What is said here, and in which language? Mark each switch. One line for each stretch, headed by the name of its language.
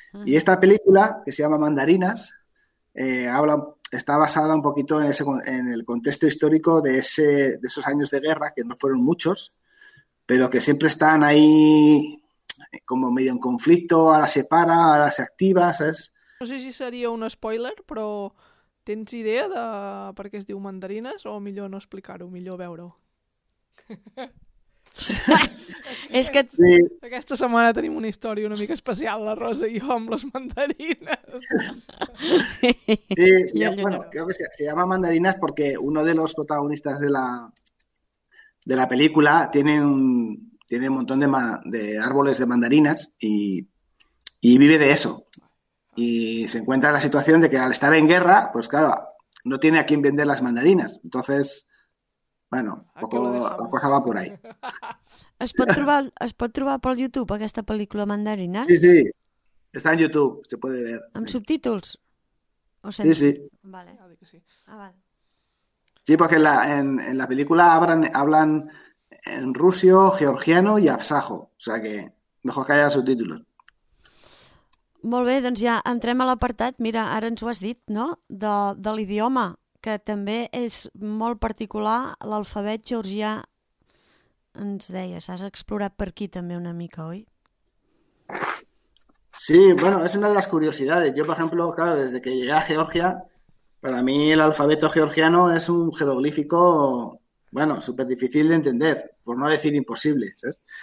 Spanish: Y esta película, que se llama Mandarinas, está basada un poquito en el contexto histórico de esos años de guerra, que no fueron muchos, pero que siempre están ahí como medio en conflicto, ahora se para, ahora se activa, ¿sabes?
Catalan: No sé si seria un spoiler, però tens idea de per què es diu Mandarinas o millor no explicar-ho, millor veure-ho? És que sí. Aquesta setmana tenim una història una mica especial, la Rosa i jo, amb les mandarines.
Spanish: Sí, bueno, creo que se llama Mandarinas porque uno de los protagonistas de la película tiene un montón de árboles de mandarinas y vive de eso. Y se encuentra la situación de que al estar en guerra, pues claro, no tiene a quién vender las mandarinas. Entonces... Bueno, la cosa va por ahí.
Catalan: ¿Es pot trobar por YouTube aquesta pel·lícula Mandarina?
Spanish: Sí, sí. Está en YouTube, se puede ver.
Catalan: ¿Amb subtítols?
Spanish: Sí, sí. Vale.
Catalan: Ah, val.
Spanish: Sí, porque en la película hablan en ruso, georgiano y absajo. O sea que mejor que haya subtítulos.
Catalan: Molt bé, doncs ja entrem a l'apartat. Mira, ara ens ho has dit, no? De l'idioma. Que també és molt particular l'alfabet georgià, ens deies. Has explorat per aquí també una mica, oi?
Spanish: Sí, bueno, es una de las curiosidades. Yo, por ejemplo, claro, desde que llegué a Georgia, para mí el alfabeto georgiano es un jeroglífico, bueno, súper difícil de entender, por no decir imposible, ¿sabes?